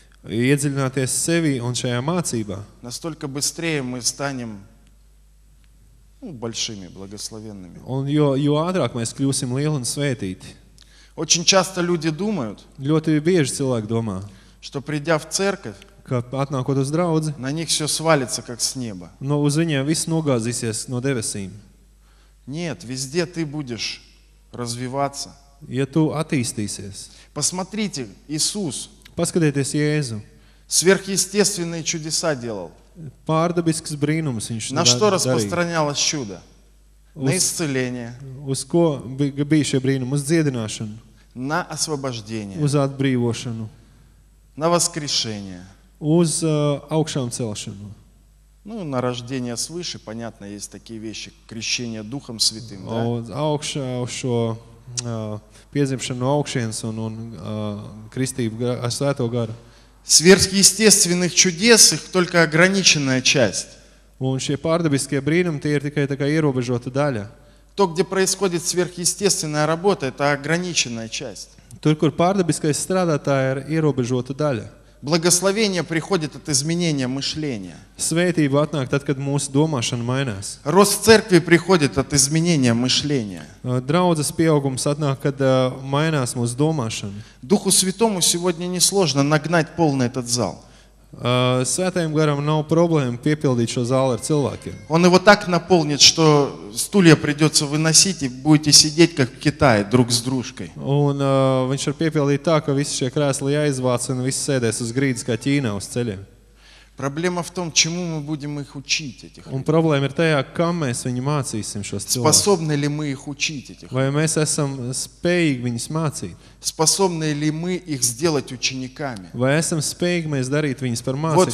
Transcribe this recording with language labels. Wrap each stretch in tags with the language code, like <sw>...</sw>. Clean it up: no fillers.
<lv>Iedziļināties sevi un šajā mācībā.</lv> <ru>Настолько быстрее мы станем, ну, большими, благословенными.</ru> <lv>Un jo ātrāk мēs kļūsim lieli un svētīti.</lv> <ru>Очень часто люди думают,</ru> <lv>ļoti bieži cilvēki domā,</lv> <ru>что придя в церковь,</ru> <lv>ka atnākot uz draudzi,</lv> <ru>на них все свалится, как с неба.</ru> <lv>No, uz viņiem viss nogāzīsies no debesīm.</lv> <ru>Нет, везде ты будешь развиваться.</ru> <lv>Ja tu attīstīsies.</lv> <ru>Посмотрите, Иисус,</ru> <lv>paskatieties Jēzu,</lv> <ru>сверхъестественные чудеса делал.</ru> <lv>Пардабисks brīnums viņš</lv> <ru>на что распространялось чудо? На исцеление.</ru> <lv>Uz ko bija šie brīnumi? Uz dziedināšanu.</lv> <ru>На освобождение.</ru> <lv>Uz atbrīvošanu.</lv> <ru>На воскрешение.</ru> <lv>Uz augšāmcelšanu.</lv> <ru>Ну, на рождение свыше, понятно, есть такие вещи, крещение Духом Святым, да?</ru> <lv>Uz augšā, uz šo piedzimšanu no augšienes un kristību ar Svēto Garu.</lv> <ru>Сверхъестественных чудес, их только ограниченная часть.</ru> <lv>Un šie pārdabiskie brīnumi, tie ir tikai tā kā ierobežota daļa.</lv> <ru>То, где происходит сверхъестественная работа, это ограниченная часть.</ru> <lv>Tur, kur pārdabiskais strādā, tā ir ierobežota daļa.</lv> <ru>Благословение приходит от изменения мышления.</ru> <lv>Svētība atnāk tad, kad mūsu domāšana mainās.</lv> <ru>Рост церкви приходит от изменения мышления.</ru> <lv>Draudzes pieaugums atnāk, kad mainās mūsu domāšana.</lv> <ru>Духу Святому сегодня несложно нагнать полный этот зал.</ru> <lv>Svētajam garam nav problēma piepildīt šo zāli ar cilvēkiem.</lv> <ru>Он его так наполнит, что стулья придется выносить и будете сидеть, как в Китае, друг с дружкой.</ru> <lv>Un viņš var piepildīt tā, ka visi šie krēsli jāizvāc un visi sēdēs uz grīdas kā Ķīnā uz ceļiem.</lv> <ru>Проблема в том, чему мы будем их учить, этих людей.</ru> <lv>Un problēma ir tajā, kam mēs viņu mācīsim, šos cilvēkus.</lv> <ru>Способны ли мы их учить, этих людей?</ru> <lv>Vai mēs esam spējīgi viņus mācīt?</lv> <ru>Способны ли мы их сделать учениками?</ru> <lv>Vai esam spējīgi mēs darīt viņus par mācekļiem?</lv>